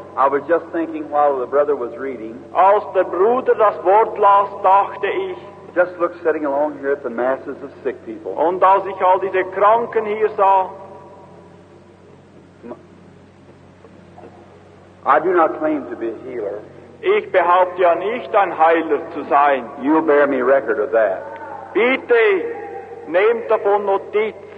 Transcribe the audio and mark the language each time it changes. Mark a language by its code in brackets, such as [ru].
[en] I was just thinking while the brother was reading. [de] Als der Bruder das Wort las, dachte ich. [en] Just look sitting along here at the masses of sick people. [de] Und als ich all diese Kranken hier sah. [en] I do not claim to be a healer. [de] Ich behaupte ja nicht, ein Heiler zu sein. [en] You bear me record of that. [de] Bitte, nehmt davon Notiz.